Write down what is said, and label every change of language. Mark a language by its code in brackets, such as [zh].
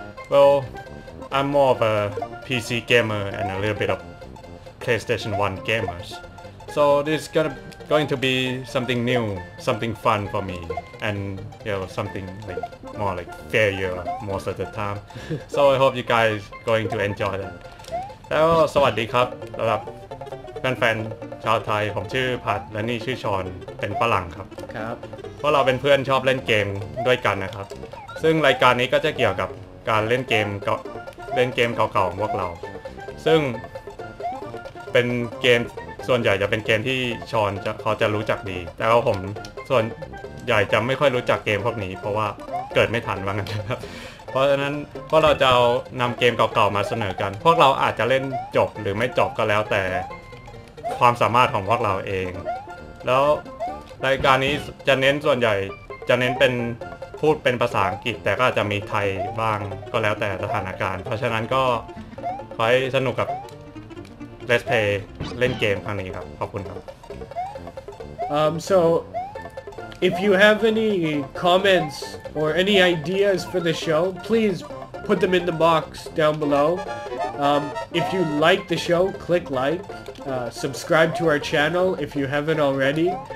[en] Well, I'm more of a PC gamer and a little bit of PlayStation 1 gamers. So this is going to be something new, something fun for me, and you know, something like more like failure most of the time. So I hope you guys are going to enjoy that. Hello, [th] สวัสดีครับสำหรับแฟนๆชาวไทยผมชื่อผัดและนี่ชื่อชอนเป็นฝรั่งครับ ครับ เพราะเราเป็นเพื่อนชอบเล่นเกมด้วยกันนะครับซึ่งรายการนี้ก็จะเกี่ยวกับการเล่นเกมเก่าๆของพวกเราซึ่งเป็นเกมส่วนใหญ่จะเป็นเกมที่ชอนเขาจะรู้จักดีแต่ว่าผมส่วนใหญ่จะไม่ค่อยรู้จักเกมพวกนี้เพราะว่าเกิดไม่ทันว่างั้นครับเพราะฉะนั้นพวกเราจะนำเกมเก่าๆมาเสนอกันพวกเราอาจจะเล่นจบหรือไม่จบก็แล้วแต่ ความสามารถของพวกเราเองแล้วรายการนี้จะเน้นส่วนใหญ่จะเน้นเป็นพูดเป็นภาษาอังกฤษแต่ก็จะมีไทยบ้างก็แล้วแต่สถานการณ์เพราะฉะนั้นก็ขอให้สนุกกับ Let's Play เล่นเกมครั้งนี้ครับขอบคุณครับ [en] So if you have any commentsOr any ideas for the show, please put them in the box down below. If you like the show, click like. Subscribe to our channel if you haven't already.